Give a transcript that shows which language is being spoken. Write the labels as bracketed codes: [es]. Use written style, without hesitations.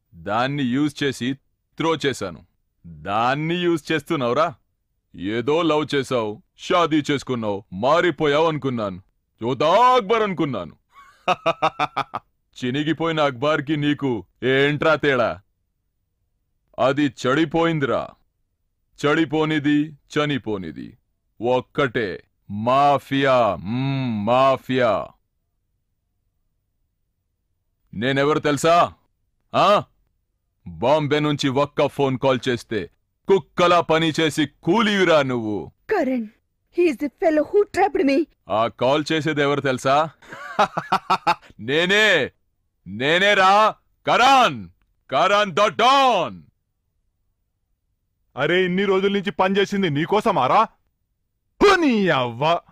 [te] దాన్ని యూజ్ చేసి త్రో చేశాను దాన్ని యూజ్ చేస్తున్నావురా ఏదో లవ్ చేశావు షాదీ చేసుకున్నావు మారిపోయావు అనుకున్నాను చూద్దా అక్బర్ అనుకున్నాను చినిగిపోయిన అక్బార్ కి నీకు ఏంట్రా తేడా అది చెడిపోయిందిరా చెడిపోనిది చనిపోనిది ఒక్కటే మాఫియా మాఫియా నేనెవరు తెలుసా బాంబే నుంచి ఒక్క ఫోన్ కాల్ చేస్తే కుక్కలా పనిచేసి కూలివిరా నువ్వు [en] Karan He's the fellow who trapped me. [te] ఆ కాల్ చేసేది ఎవరు తెలుసా నేనే నేనే రా కరణ్ కరణ్ ద డాన్ అరే ఇన్ని రోజుల నుంచి పనిచేసింది నీకోసం ఆరా నీ అవ్వ